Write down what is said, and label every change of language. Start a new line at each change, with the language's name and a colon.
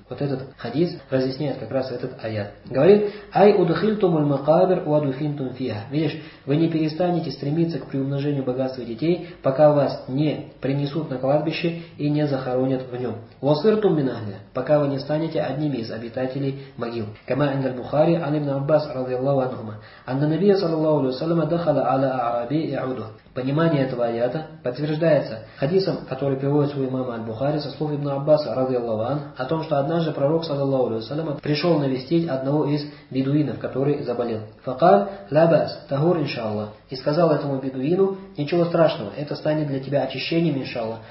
Russian: Вот этот хадис разъясняет как раз этот аят. Говорит:
Arabic: «Ай удхильтум аль-макабир ва дуфинтум фиха».
Russian: Видишь, вы не перестанете стремиться к приумножению богатства детей, пока вас не принесут на кладбище и не захоронят в нем.
Arabic: «Васыртум минагля»,
Russian: пока вы не станете одними из обитателей могил.
Arabic: كما عند البخاري عن ابن عباس رضي الله عنهما أن النبي صلى الله عليه وسلم دخل على أعرابي يعوده.
Russian: Понимание этого аята подтверждается хадисом, который приводит свой имам Аль-Бухари со слов ибн Аббаса радиаллаху ан, о том, что однажды пророк саллаллаху алейхи ва саллям пришел навестить одного из бедуинов, который заболел.
Arabic: Факал лабас тагур иншаллах,
Russian: и сказал этому бедуину: ничего страшного, это станет для тебя очищением иншаллах.